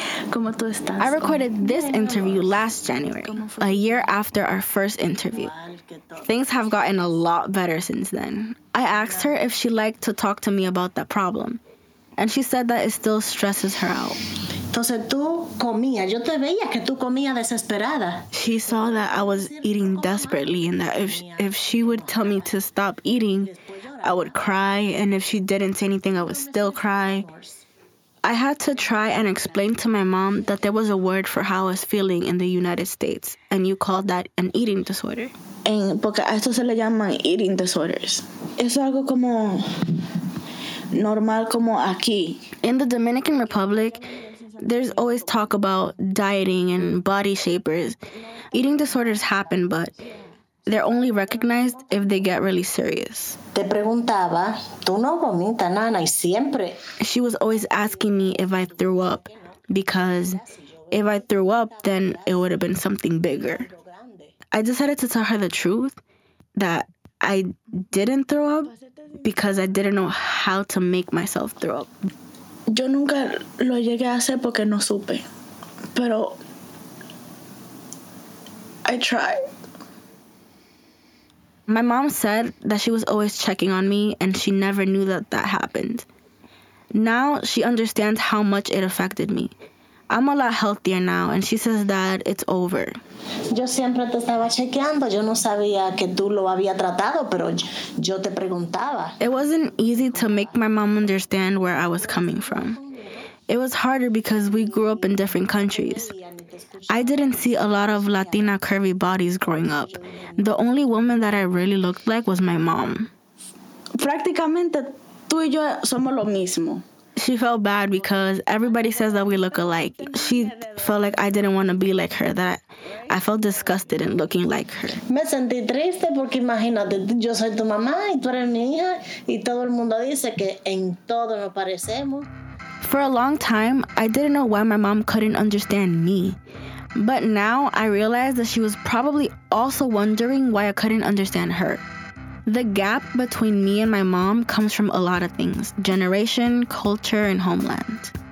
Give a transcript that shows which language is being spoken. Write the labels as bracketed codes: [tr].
[es] ¿Cómo tú estás? [en] I recorded this interview last January, a year after our first interview. Things have gotten a lot better since then. I asked her if she liked to talk to me about that problem, and she said that it still stresses her out. [es] Entonces tú comías, yo te veía que tú comías desesperada. [en] She saw that I was eating desperately and that if she would tell me to stop eating, I would cry, and if she didn't say anything, I would still cry. I had to try and explain to my mom that there was a word for how I was feeling in the United States, and you called that an eating disorder. [es] And porque a esto se le llaman eating disorders. Es algo como normal como aquí. [en] In the Dominican Republic, there's always talk about dieting and body shapers. Eating disorders happen, but they're only recognized if they get really serious. [es] Te preguntaba, tú no vomita, nana, y siempre. [en] She was always asking me if I threw up, because if I threw up, then it would have been something bigger. I decided to tell her the truth, that I didn't throw up because I didn't know how to make myself throw up. [es] Yo nunca lo llegué a hacer porque no supe, pero [en] I tried. My mom said that she was always checking on me, and she never knew that that happened. Now she understands how much it affected me. I'm a lot healthier now, and she says that it's over. [es] Yo siempre te estaba chequeando. Yo no sabía que tú lo había tratado, pero yo te preguntaba. [en] It wasn't easy to make my mom understand where I was coming from. It was harder because we grew up in different countries. I didn't see a lot of Latina curvy bodies growing up. The only woman that I really looked like was my mom. [es] Practicamente, tú y yo somos lo mismo. [en] She felt bad because everybody says that we look alike. She felt like I didn't want to be like her, that I felt disgusted in looking like her. [es] Me sentí triste porque imagínate, yo soy tu mamá y tú eres mi hija y todo el mundo dice que en todo nos parecemos. [en] For a long time, I didn't know why my mom couldn't understand me. But now I realized that she was probably also wondering why I couldn't understand her. The gap between me and my mom comes from a lot of things: generation, culture, and homeland.